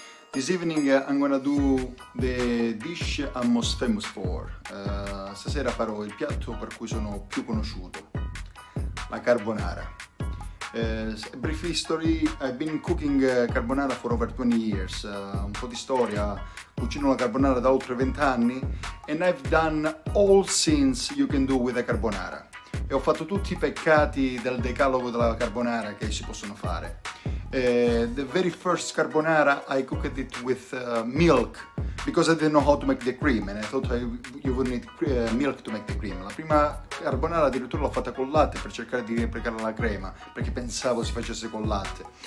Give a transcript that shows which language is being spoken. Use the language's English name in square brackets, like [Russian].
[English] This evening I'm gonna do the dish I'm most famous for. [Italian] Stasera farò il piatto per cui sono più conosciuto, la carbonara. [English] Brief history, I've been cooking carbonara for over 20 years. [Italian] Un po' di storia, cucino la carbonara da oltre 20 anni [English] and I've done all sins you can do with a carbonara. [Italian] E ho fatto tutti i peccati del decalogo della carbonara che si possono fare. [English] The very first carbonara I cooked it with milk because I didn't know how to make the cream and I thought you would need milk to make the cream. [Italian] La prima carbonara addirittura l'ho fatta col latte per cercare di replicare la crema perché pensavo si facesse col latte.